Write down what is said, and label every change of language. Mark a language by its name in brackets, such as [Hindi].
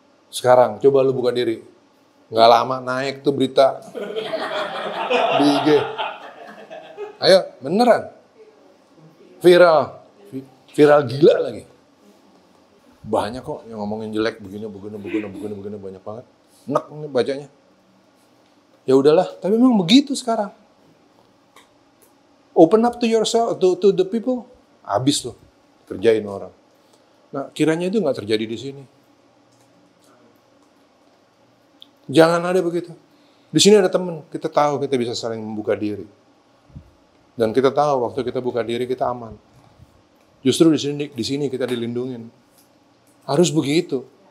[Indonesian] Sekarang, coba lu buka diri. Nggak lama naik tuh berita di IG. Ayo, beneran. Viral gila lagi. Banyak kok yang ngomongin jelek begini, banyak banget. Nek nih bacanya. Ya udahlah, tapi memang begitu sekarang. [English] Open up to yourself, to the people. [Indonesian] Habis tuh, kerjain orang. Nah, kiranya itu gak terjadi di sini. Jangan ada begitu. Di sini ada teman, kita tahu kita bisa saling membuka diri. Dan kita tahu waktu kita buka diri, kita aman. Justru di sini kita dilindungin. Harus begitu.